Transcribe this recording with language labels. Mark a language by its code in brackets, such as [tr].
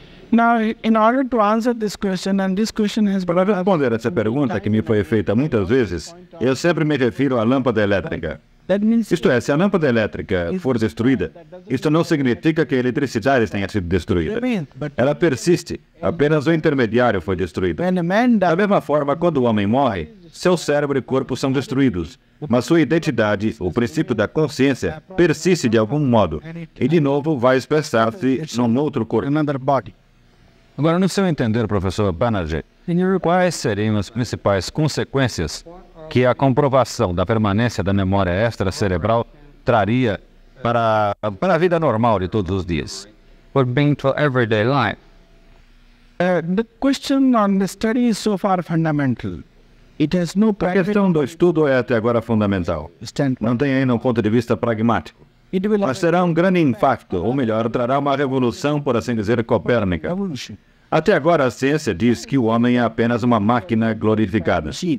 [en] Now, in order to answer this question, and this question has been... [pt] Para responder essa pergunta que me foi feita muitas vezes, eu sempre me refiro à lâmpada elétrica. Isto é, se a lâmpada elétrica for destruída, isto não significa que a eletricidade tenha sido destruída. Ela persiste, apenas o intermediário foi destruído. Da mesma forma, quando o homem morre, seu cérebro e corpo são destruídos, mas sua identidade, o princípio da consciência, persiste de algum modo e, de novo, vai expressar-se num outro corpo. Agora, no seu entender, professor Banerjee, quais seriam as principais consequências que a comprovação da permanência da memória extracerebral traria para a vida normal de todos os dias? [en] Would bring to everyday life. The question on the study is so far fundamental. It has no practical. [pt] A questão do estudo é até agora fundamental. Não tem ainda um ponto de vista pragmático. Mas será um grande impacto, ou melhor, trará uma revolução, por assim dizer, copérnica. Até agora, a ciência diz que o homem é apenas uma máquina glorificada.